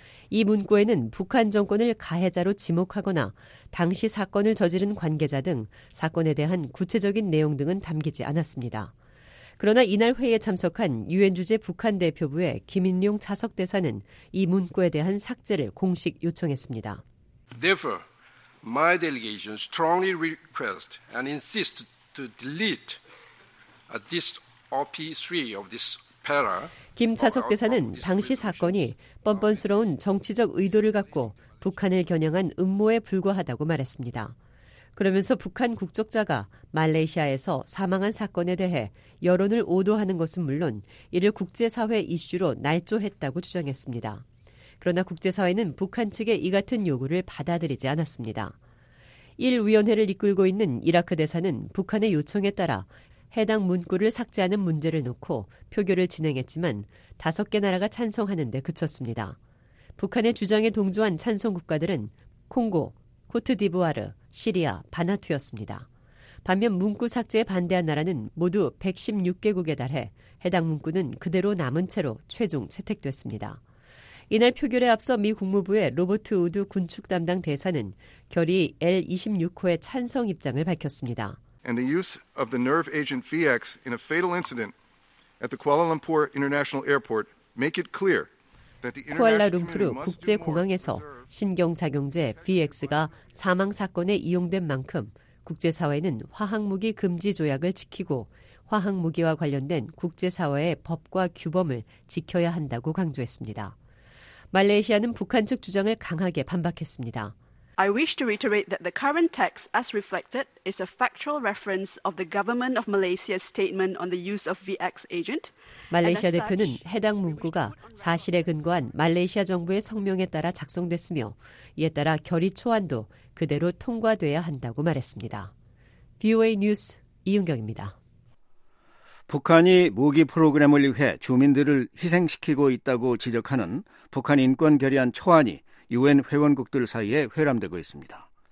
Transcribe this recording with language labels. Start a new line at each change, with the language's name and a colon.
Korean: 이 문구에는 북한 정권을 가해자로 지목하거나 당시 사건을 저지른 관계자 등 사건에 대한 구체적인 내용 등은 담기지 않았습니다. 그러나 이날 회의에 참석한 유엔 주재 북한 대표부의 김인룡 차석 대사는 이 문구에 대한 삭제를 공식 요청했습니다.
English: Therefore, my delegation strongly request and insist to delete this OP3 of this para.
Korean: 김 차석 대사는 당시 사건이 뻔뻔스러운 정치적 의도를 갖고 북한을 겨냥한 음모에 불과하다고 말했습니다. 그러면서 북한 국적자가 말레이시아에서 사망한 사건에 대해 여론을 오도하는 것은 물론 이를 국제사회 이슈로 날조했다고 주장했습니다. 그러나 국제사회는 북한 측의 이 같은 요구를 받아들이지 않았습니다. 일 위원회를 이끌고 있는 이라크 대사는 북한의 요청에 따라 해당 문구를 삭제하는 문제를 놓고 표결을 진행했지만 5개 나라가 찬성하는 데 그쳤습니다. 북한의 주장에 동조한 찬성 국가들은 콩고, 코트디부아르, 시리아, 바나투였습니다. 반면 문구 삭제에 반대한 나라는 모두 116개국에 달해 해당 문구는 그대로 남은 채로 최종 채택됐습니다. 이날 표결에 앞서 미 국무부의 로버트 우드 군축 담당 대사는 결의 L26호의 찬성 입장을 밝혔습니다.
English: And the use of the nerve agent VX in a fatal incident at the Kuala Lumpur International Airport make it clear that the international 쿠알라룸푸르
Korean: 국제공항에서 신경작용제 VX가 사망 사건에 이용된 만큼 국제사회는 화학무기 금지 조약을 지키고 화학무기와 관련된 국제사회의 법과 규범을 지켜야 한다고 강조했습니다. 말레이시아는 북한 측 주장을 강하게 반박했습니다.
English: I wish to reiterate that the current text, as reflected, is a factual reference of the government of Malaysia's statement on the use of VX agent.
Korean: 말레이시아 대표는 해당 문구가 사실에 근거한 말레이시아 정부의 성명에 따라 작성됐으며 이에 따라 결의 초안도 그대로 통과돼야 한다고 말했습니다. VOA 뉴스 이은경입니다. 북한이 무기 프로그램을 위해 주민들을 희생시키고 있다고 지적하는 북한 인권 결의안 초안이 유엔 회원국들 사이에 회람되고 있습니다.